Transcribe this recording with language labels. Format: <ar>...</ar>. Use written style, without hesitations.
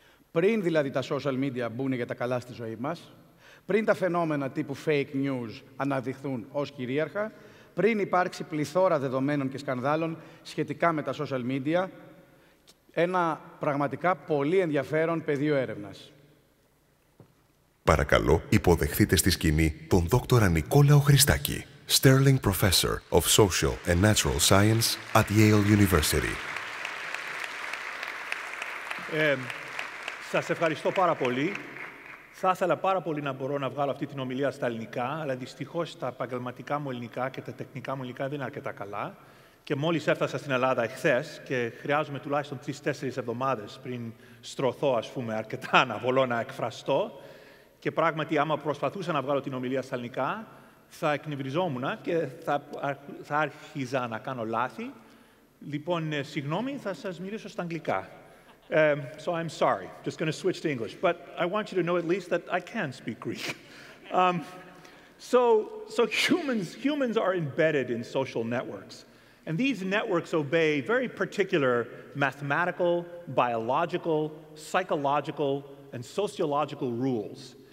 <el>Πριν δηλαδή τα social media μπουν για τα καλά στη ζωή μας, πριν τα φαινόμενα τύπου fake news αναδειχθούν ως κυρίαρχα, πριν υπάρξει πληθώρα δεδομένων και σκανδάλων σχετικά με τα social media, ένα πραγματικά πολύ ενδιαφέρον πεδίο έρευνας. Παρακαλώ, υποδεχθείτε στη σκηνή τον Δόκτωρα Νικόλαο Χριστάκη, Sterling Professor of Social and Natural Science at Yale University. Σας ευχαριστώ πάρα πολύ. Θα ήθελα πάρα πολύ να μπορώ να βγάλω αυτή την ομιλία στα ελληνικά, αλλά δυστυχώς τα επαγγελματικά μου ελληνικά και τα τεχνικά μου ελληνικά δεν είναι αρκετά καλά. Και μόλις έφτασα στην Ελλάδα εχθές και χρειάζομαι τουλάχιστον 3-4 εβδομάδες πριν στρωθώ, ας πούμε, αρκετά να βολώ να εκφραστώ. Και πράγματι, άμα προσπαθούσα να βγάλω την ομιλία στα ελληνικά, θα εκνευριζόμουν και θα άρχιζα να κάνω λάθη. Λοιπόν, συγγνώμη, θα σας μιλήσω στα αγγλικά.</el> <en>So I'm sorry, just going to switch to English. But I want you to know at least that I can speak Greek. So humans are embedded in social networks. And these networks obey very particular mathematical, biological, psychological, and sociological rules.</en>